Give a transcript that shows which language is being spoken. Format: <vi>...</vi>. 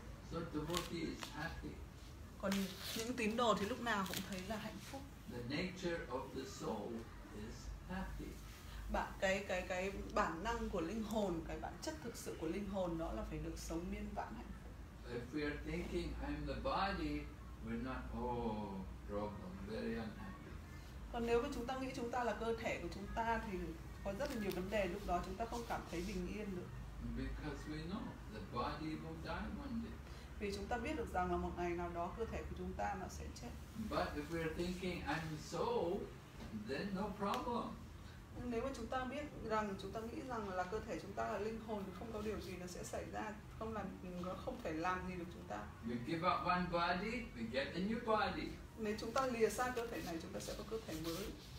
<en>So the devotee is happy.</en> <vi>Còn những tín đồ thì lúc nào cũng thấy là hạnh phúc.</vi> <en>The nature of the soul is happy.</en> <vi>Cái bản năng của linh hồn, cái bản chất thực sự của linh hồn đó là phải được sống miên vãn hạnh phúc.</vi> <en>If we are thinking I'm the body, we're not, oh, problem, very unhappy.</en> <vi>Còn nếu mà chúng ta nghĩ chúng ta là cơ thể của chúng ta thì có rất là nhiều vấn đề, lúc đó chúng ta không cảm thấy bình yên được.</vi> <en>Because we know the body will die one day.</en> <vi>Vì chúng ta biết được rằng là một ngày nào đó cơ thể của chúng ta nó sẽ chết.</vi> <en>But if we are thinking I'm soul, then no problem.</en> <vi>Nếu mà chúng ta biết rằng, chúng ta nghĩ rằng là cơ thể chúng ta là linh hồn thì không có điều gì nó sẽ xảy ra, không làm, nó không thể làm gì được chúng ta.</vi> <en>We give up one body, we get a new body.</en> <vi>Nếu chúng ta lìa xa cơ thể này, chúng ta sẽ có cơ thể mới.</vi>